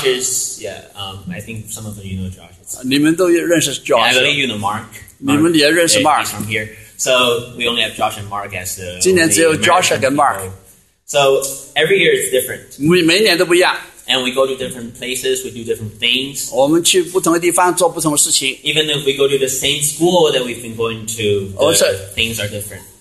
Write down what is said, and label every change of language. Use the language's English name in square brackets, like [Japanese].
[English] Josh is I think some of you know Josh. [Chinese] 你们都认识 Josh. [English] I believe you know Mark. [Chinese] 你们也认识 Mark. [English] From here, so we only have Josh and Mark as the. [Chinese] 今年只有 Josh 跟 Mark. [English] So every year it's different. [Chinese] 每年都不一样。 [English] And we go to different places, we do different things. [Chinese] 我们去不同的地方做不同的事情。 [English] Even if we go to the same school that we've been going to, things are different.